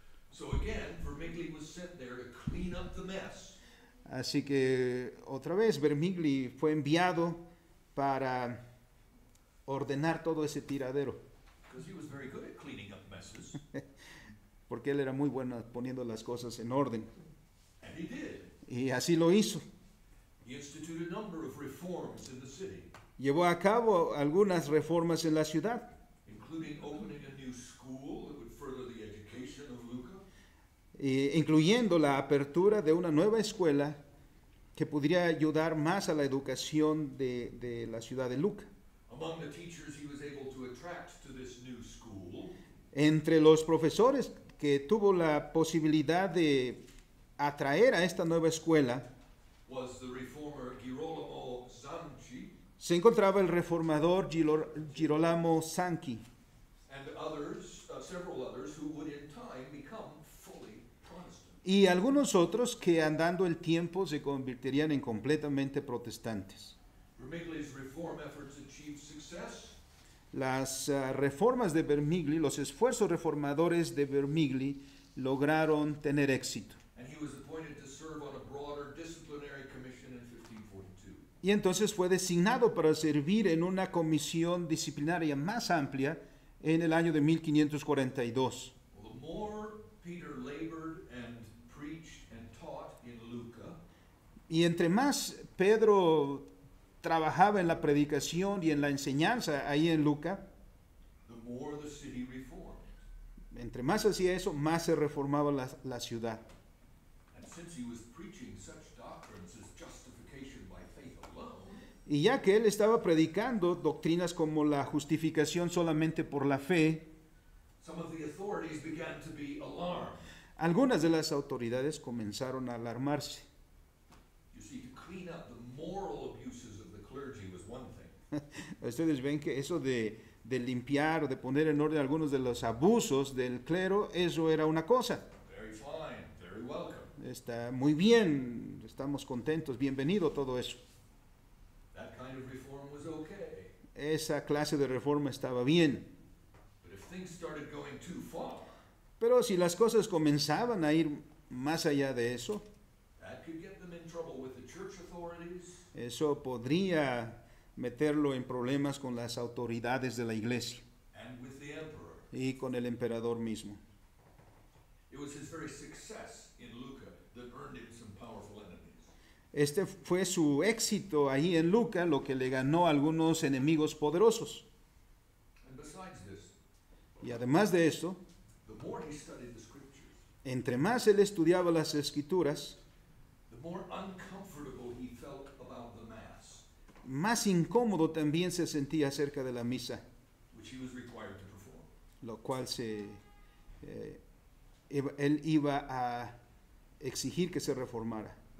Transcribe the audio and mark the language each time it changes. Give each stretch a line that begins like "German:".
English: So again, Vermigli was sent there to clean up the mess.
Spanish: Así que otra vez Vermigli fue enviado para ordenar todo ese tiradero.
English: He was very good at cleaning up messes.
Spanish: Porque él era muy bueno poniendo las cosas en orden.
English: And he did.
Spanish: Y así lo hizo.
English: He instituted a number of reforms in the city.
Spanish: Llevó a cabo algunas reformas en la ciudad.
English: Including opening a new school that would further the education of Luca.
Spanish: Incluyendo la apertura de una nueva escuela que podría ayudar más a la educación de la ciudad de Luca.
English: Among the teachers he was able to attract to this new school.
Spanish: Entre los profesores que tuvo la posibilidad de atraer a esta nueva escuela,
English: was the reformer Girolamo Zanchi.
Spanish: Se encontraba el reformador Girolamo Zanchi.
English: And others, several others who would in time become fully Protestant.
Spanish: Y algunos otros que andando el tiempo se convertirían en completamente protestantes.
English: Vermigli's reform efforts achieved success.
Spanish: Las reformas de Vermigli, los esfuerzos reformadores de Vermigli lograron tener éxito.
English: And he was appointed to serve on a broader disciplinary commission in 1542.
Spanish: Y entonces fue designado para servir en una comisión disciplinaria más amplia en el año de 1542.
English: Well, the more Peter labored and preached and taught in Luca,
Spanish: y entre más Pedro trabajaba en la predicación y en la enseñanza ahí en Luca,
English: the more the city reformed.
Spanish: Entre más hacía eso, más se reformaba la ciudad.
English: Since he was preaching such doctrines as justification by faith alone,
Spanish: y ya que él estaba predicando doctrinas como la justificación solamente por la fe,
English: some of the authorities began to be alarmed.
Spanish: Algunas de las autoridades comenzaron a alarmarse.
English: You see, to clean up the moral abuses of the clergy was one thing.
Spanish: Ustedes ven que eso de limpiar o de poner en orden algunos de los abusos del clero, eso era una cosa.
English: Very fine, very welcome.
Spanish: Está muy bien, estamos contentos, bienvenido todo eso.
English: That kind of reform was okay.
Spanish: Esa clase de reforma estaba bien.
English: But if things started going too far,
Spanish: pero si las cosas comenzaban a ir más allá de eso,
English: that could get them in trouble with the church authorities,
Spanish: eso podría meterlo en problemas con las autoridades de la iglesia
English: and with the emperor.
Spanish: Y con el emperador mismo.
English: It was his very success. In Luca, that earned him some powerful enemies.
Spanish: Este fue su éxito ahí en Luca, lo que le ganó algunos enemigos poderosos.
English: And besides this,
Spanish: y además de esto,
English: the more he studied the scriptures,
Spanish: entre más él estudiaba las escrituras,
English: the more uncomfortable he felt about the mass,
Spanish: más incómodo también se sentía acerca de la misa,
English: which he was required to perform.
Spanish: Lo cual se él iba a exigir que se reformara.